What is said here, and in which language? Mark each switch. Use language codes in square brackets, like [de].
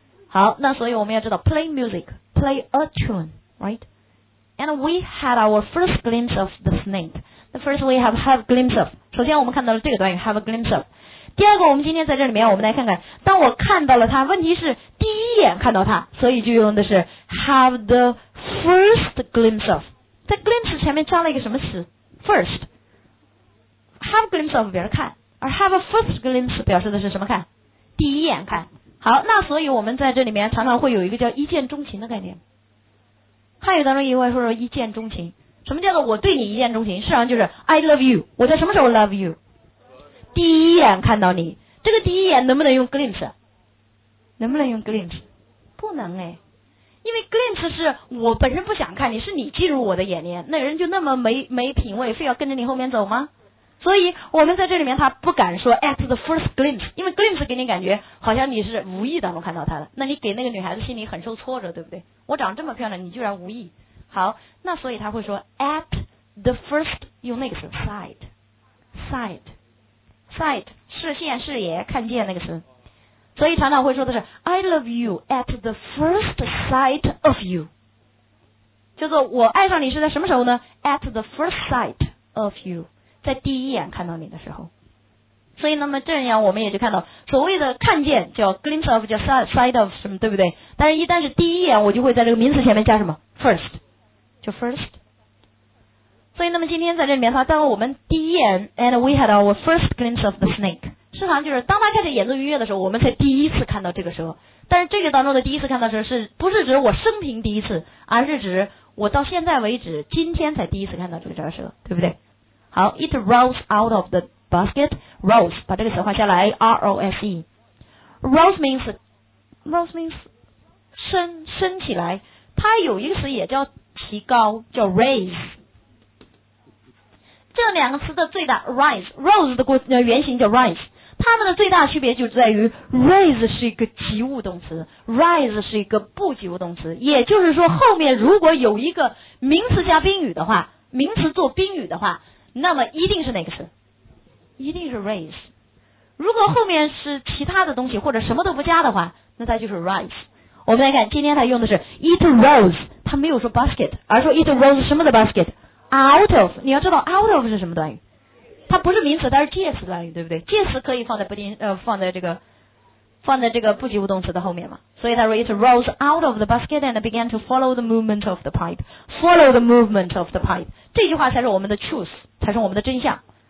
[zh] 好，那所以我们要知道 [en] play music, play a tune, right? And we had our first glimpse of the snake. The first we have a glimpse of. [zh] 首先我们看到了这个短语 [en] have a glimpse of. [zh] 第二个我们今天在这里面我们来看看，当我看到了它，问题是第一眼看到它，所以就用的是 [en] have the first glimpse of. [zh] 在 glimpse 前面加了一个什么词 ?first. [en] Have a glimpse of [zh] 表示看，而 [en] have a first glimpse [zh] 表示的是什么看？第一眼看。好，那所以我们在这里面常常会有一个叫一见钟情的概念。汉语当中也会说一见钟情。什么叫做我对你一见钟情？实际上就是 [en] I love you, [zh] 我在什么时候 [en] love you? [zh] 第一眼看到你。这个第一眼能不能用 glimpse? 能不能用 glimpse? 不能哎。因为 glimpse 是我本身不想看你，是你进入我的眼帘，那人就那么没品位，非要跟着你后面走吗？所以我们在这里面他不敢说 [en] at the first glimpse, [zh] 因为 glimpse 给你感觉好像你是无意当中看到他的，那你给那个女孩子心里很受挫折，对不对？我长这么漂亮你居然无意。好，那所以他会说 [en] at the first, [zh] 用那个词 sight, 视线视野看见那个词。所以常常会说的是 [en] I love you at the first sight of you, [zh] 叫做我爱上你是在什么时候呢？ [en] at the first sight of you, [zh] 在第一眼看到你的时候。所以那么这样我们也就看到所谓的看见叫 [en] glimpse of, [zh] 叫 [en] sight of [zh] 什么，对不对？但是一旦是第一眼，我就会在这个名词前面加什么 first, 就 first。所以那么今天在这里面他当我们第一眼 [en] and we had our first glimpse of the snake, [zh] 实际上就是当他开始演奏音乐的时候我们才第一次看到这个蛇。但是这个当中的第一次看到蛇是不是指我生平第一次，而是指我到现在为止今天才第一次看到这个蛇，对不对？ [en] 好， it rolls out of the basket, rolls, [zh] 把这个词画下来 [en] ,R-O-S-E. [zh] Rolls means 升起来，它有一个词也叫提高，叫 raise. 这两个词的最大 rise, rose 的原型叫 rise, 它们的最大区别就在于 raise 是一个及物动词， rise 是一个不及物动词，也就是说后面如果有一个名词加宾语的话，名词做宾语的话，那么一定是哪个词？一定是 raise。如果后面是其他的东西或者什么都不加的话，那它就是 rise。我们来看今天它用的是 [en] it rolls, [zh] 它没有说 basket, 而说 it rolls 什么的 basket, [en] out of, [zh] 你要知道 out of 是什么短语，它不是名词，它是介词短语，对不对？介词可以放在这个不及物动词的后面嘛。所以它说 [en] it rolls out of the basket and began to follow the movement of the pipe, follow the movement of the pipe, [zh] 这句话才是我们的 [en] truth, [zh] 才是我们的真相。